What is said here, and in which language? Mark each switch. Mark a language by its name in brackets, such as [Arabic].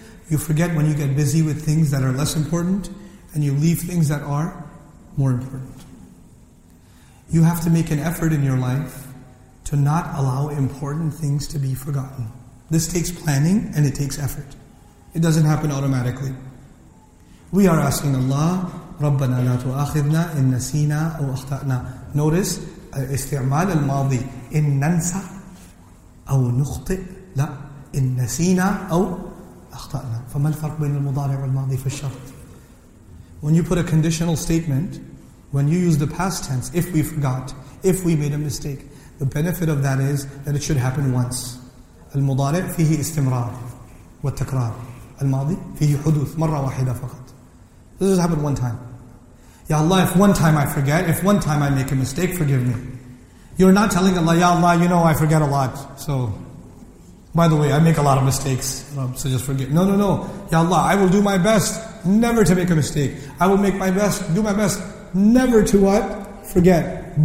[English] You forget when you get busy with things that are less important and you leave things that are more important. You have to make an effort in your life to not allow important things to be forgotten. This takes planning and it takes effort. It doesn't happen automatically. We are asking Allah [Arabic] رَبَّنَا لَا تُؤَاخِذْنَا إِن نَسِيْنَا أَوْ أَخْطَأْنَا. [English] Notice, [Arabic] استعمال الماضي إِن نَنْسَ أَوْ نُخْطِئْ. لا, إِن نَسِيْنَا أَوْ أَخْطَأْنَا. فما الفرق بين المضارع والماضي في الشرط؟ [English] When you put a conditional statement, when you use the past tense, if we forgot, if we made a mistake, the benefit of that is that it should happen once. [Arabic] المضارع فيه استمرار والتكرار. الماضي فيه حدوث مرة واحدة فقط. [English] This has happened one time. Ya Allah, if one time I forget, if one time I make a mistake, forgive me. You're not telling Allah, Ya Allah, you know I forget a lot. So, by the way, I make a lot of mistakes. So just forget. No, no, no. Ya Allah, I will do my best never to make a mistake. I will make my best, do my best never to what? Forget.